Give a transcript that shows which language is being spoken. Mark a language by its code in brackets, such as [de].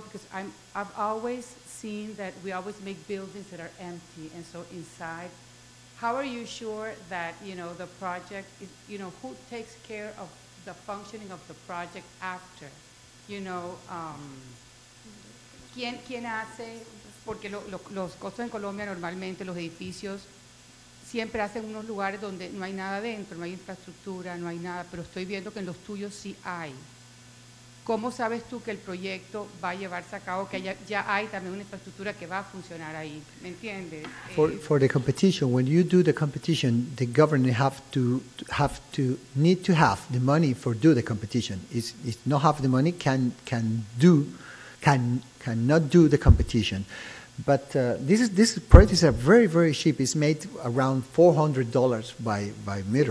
[en] Because I've always seen that we always make buildings that are empty, and so inside, how are you sure that you know the project is? You know, who takes care of the functioning of the project after? You know, [es] quién hace? Porque los costos en Colombia normalmente los edificios. Siempre hacen unos lugares donde no hay nada dentro, no hay infraestructura, no hay nada, pero estoy viendo que en los tuyos sí hay. ¿Cómo sabes tú que el proyecto va a llevarse a cabo, que ya hay también una infraestructura que va a funcionar ahí? ¿Me entiendes? [en] For the competition, when you do the competition, the government need to have the money for do the competition. If not have the money, cannot do the competition. But this project is very, very cheap. It's made around $400 by meter.